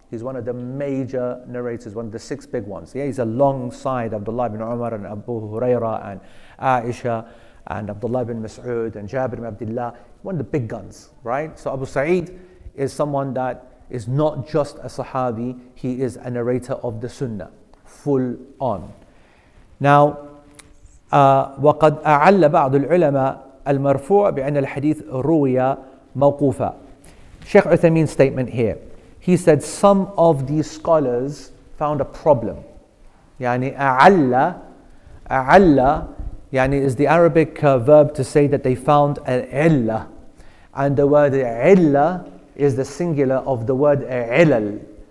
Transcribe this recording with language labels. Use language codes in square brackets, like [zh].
[en] He's one of the major narrators, one of the six big ones. Yeah, he's alongside Abdullah ibn Umar and Abu Huraira and Aisha and Abdullah ibn Mas'ud and Jabir ibn Abdullah, one of the big guns, right? So Abu Sa'id is someone that is not just a Sahabi, he is a narrator of the Sunnah, full on. Now, [ar] وَقَدْ أَعَلَّ بَعْضُ الْعُلَمَاءِ المرفوع بأن الحديث روية موقوفة. [en] Sheikh Uthaymeen's statement here. He said some of these scholars found a problem. [ar] يعني أعلى, أعلى يعني [en] is the Arabic verb to say that they found an illa. And the word illa is the singular of the word علل.